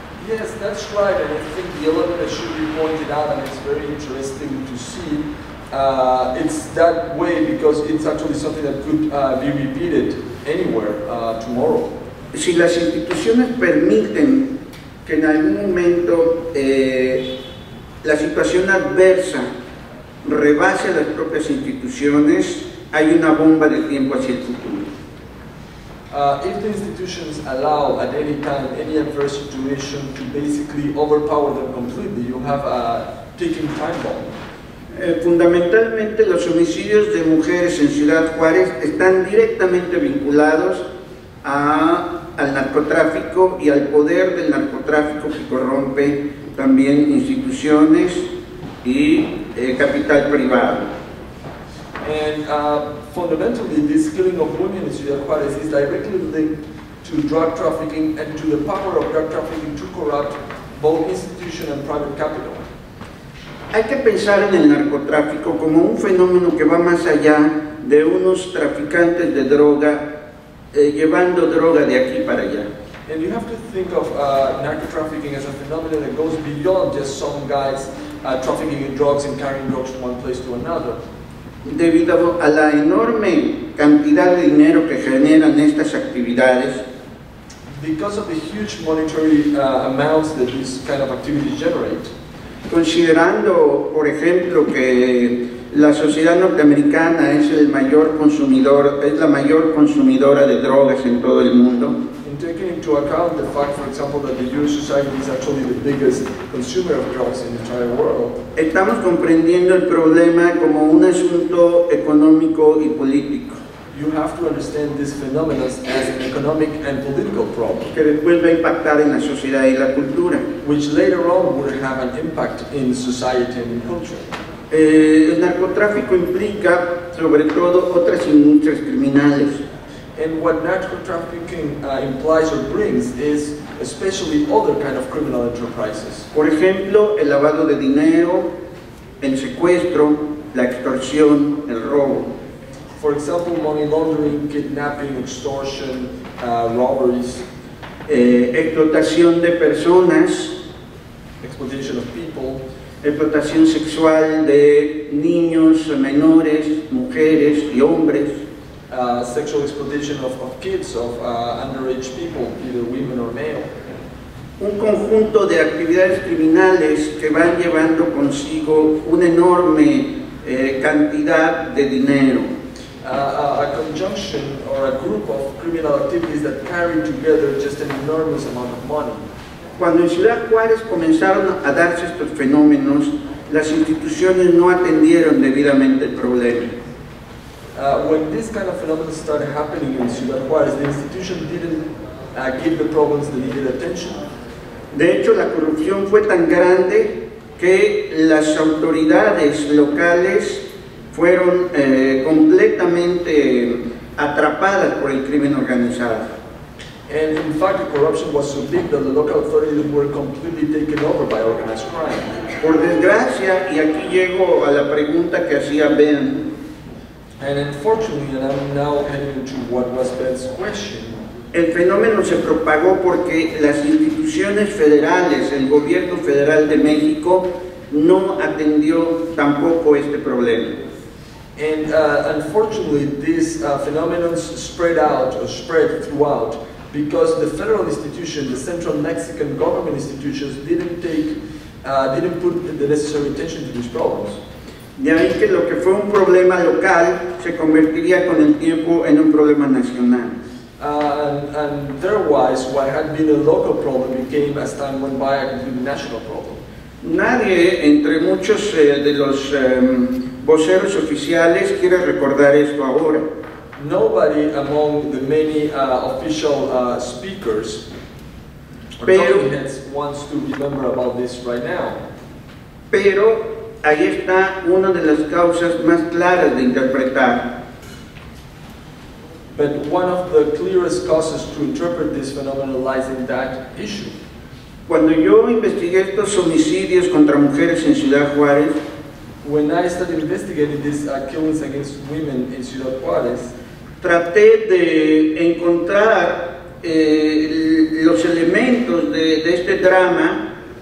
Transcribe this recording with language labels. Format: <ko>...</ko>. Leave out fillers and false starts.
<en>Yes, that's right, and I think the element that should be pointed out, and it's very interesting to see, It's that way because it's actually something that could be repeated anywhere tomorrow.</en> <es>Si las instituciones permiten que en algún momento la situación adversa rebase a las propias instituciones, hay una bomba de tiempo hacia el futuro.</es> <en>If the institutions allow at any time any adverse situation to basically overpower them completely, you have a ticking time bomb.</en> <es>Fundamentalmente, los homicidios de mujeres en Ciudad Juárez están directamente vinculados al narcotráfico y al poder del narcotráfico que corrompe también instituciones y capital privado.</es> <en>And fundamentally, this killing of women in Ciudad Juárez is directly linked to drug trafficking and to the power of drug trafficking to corrupt both institution and private capital.</en> <es>Hay que pensar en el narcotráfico como un fenómeno que va más allá de unos traficantes de droga llevando droga de aquí para allá.</es> <en>And you have to think of narcotrafficking as a phenomenon that goes beyond just some guys trafficking in drugs and carrying drugs from one place to another.</en> <es>Debido a la enorme cantidad de dinero que generan estas actividades,</es> <en>because of the huge monetary amounts that this kind of activity generate,</en> <es>considerando, por ejemplo, que la sociedad norteamericana es el mayor consumidor, es la mayor consumidora de drogas en todo el mundo,</es> <en>in taking into account the fact, for example, that the U.S. society is actually the biggest consumer of drugs in the entire world,</en> <es>estamos comprendiendo el problema como un asunto económico y político.</es> <en>You have to understand this phenomenon as an economic and political problem,</en> <es>que después va a impactar en la sociedad y la cultura,</es> <en>which later on would have an impact in society and in culture.</en> <es>El narcotráfico implica, sobre todo, otras industrias criminales.</es> <en>And what narcotrafficking implies or brings is especially other kind of criminal enterprises.</en> <es>Por ejemplo, el lavado de dinero, el secuestro, la extorsión, el robo.</es> <en>For example, money laundering, kidnapping, extortion, robberies.</en> <es>Explotación de personas.</es> <en>Exploitation of people.</en> <es>Explotación sexual de niños, menores, mujeres y hombres.</es> <en>Sexual exploitation of kids, of underage people, either women or male.</en> <es>Un conjunto de actividades criminales que van llevando consigo una enorme cantidad de dinero.</es> <en>A conjunction or a group of criminal activities that carry together just an enormous amount of money.</en> <es>Cuando en Ciudad Juárez comenzaron a darse estos fenómenos, las instituciones no atendieron debidamente el problema.</es> <en>When this kind of phenomenon started happening in Ciudad Juárez, the institution didn't give the problems the needed attention.</en> <es>De hecho, la corrupción fue tan grande que las autoridades locales fueron completamente atrapadas por el crimen organizado.</es> <en>And in fact, the corruption was so big that the local authorities were completely taken over by organized crime.</en> <es>Por desgracia, y aquí llego a la pregunta que hacía Ben.</es> <en>And unfortunately, and I'm now heading to what was Ben's question.</en> <es>El fenómeno se propagó porque las instituciones federales, el gobierno federal de México, no atendió tampoco este problema.</es> <en>And unfortunately, this phenomenon spread throughout because the federal institution, the central Mexican government institutions, didn't put the necessary attention to these problems.</en> <es>De ahí que lo que fue un problema local se convertiría con el tiempo en un problema nacional.</es> <en>And otherwise, what had been a local problem became, as time went by, a completely national problem.</en> <es>Nadie, entre muchos de los voceros oficiales, quiere recordar esto ahora.</es> <en>Nobody among the many official speakers wants to remember about this right now.</en> <es>Pero ahí está una de las causas más claras de interpretar.</es> <en>But one of the clearest causes to interpret this phenomenon lies in that issue.</en> <es>Cuando yo investigué estos homicidios contra mujeres en Ciudad Juárez,</es> <en>when I started investigating these killings against women in Ciudad Juárez,</en> <es>traté de encontrar los elementos de este drama</es>